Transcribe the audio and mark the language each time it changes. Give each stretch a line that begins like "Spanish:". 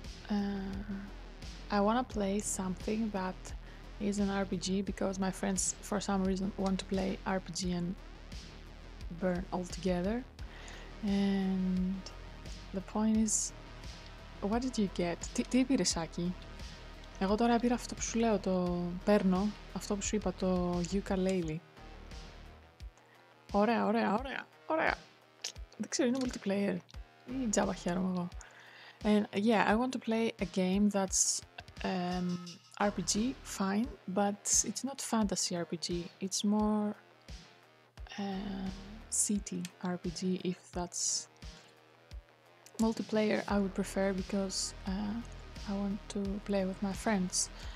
English: I wanna play something that is an RPG because my friends for some reason want to play RPG and burn altogether. And the point is, what did you get?
Greek: Τι πήρες, Σάκη? Εγώ τώρα πήρα αυτό που σου λέω, το παίρνω, αυτό που σου είπα, το ukulele. Ωραία, ωραία, ωραία, ωραία. Δεν ξέρω, είναι multiplayer. Ή τζάμπα χαίρομαι εγώ.
English: And yeah, I want to play a game that's RPG, fine, but it's not fantasy RPG. It's more city RPG, if that's multiplayer, I would prefer because I want to play with my friends.